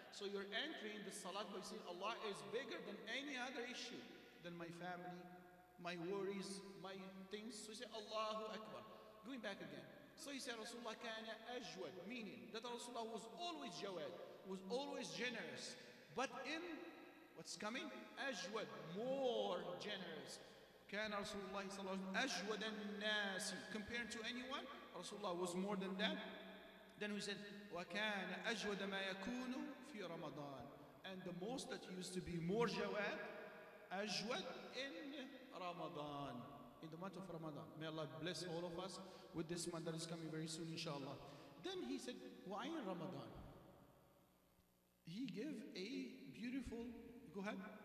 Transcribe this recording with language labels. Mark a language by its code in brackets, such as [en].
[en] So you're entering the salat by saying Allah is bigger than any other issue, than my family, my worries, my things. So you say Allahu Akbar. Going back again. So he said Rasulullah kana ajwad, meaning that Rasulullah was always jawad, was always generous. But in what's coming? Ajwad, more generous. [ar] كان رسول الله صلى الله عليه وسلم أجود الناس. [en] Compared to anyone, رسول الله was more than that. Then he said, [ar] وكان أجود ما يكون في رمضان. [en] And the most that used to be more جواد, أجود in رمضان. In the month of Ramadan. May Allah bless all of us with this month that is coming very soon, inshallah. Then he said, why in Ramadan? He gave a beautiful, go ahead.